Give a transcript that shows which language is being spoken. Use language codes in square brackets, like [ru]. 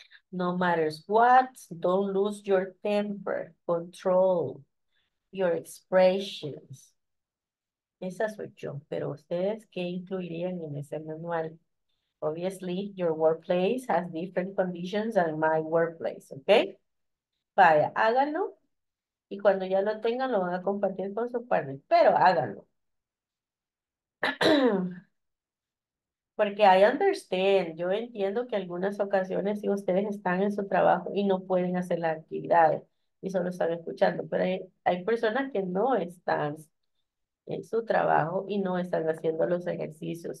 [en] No matter what, don't lose your temper, control your expressions. [es] Esa soy yo, pero ustedes, ¿qué incluirían en ese manual? [en] Obviously, your workplace has different conditions than my workplace, ¿ok? [es] Vaya, háganlo, y cuando ya lo tengan, lo van a compartir con su partner, pero háganlo. Porque [en] I understand, [es] yo entiendo que algunas ocasiones si ustedes están en su trabajo y no pueden hacer las actividades, y solo están escuchando, pero hay personas que no están en su trabajo y no están haciendo los ejercicios.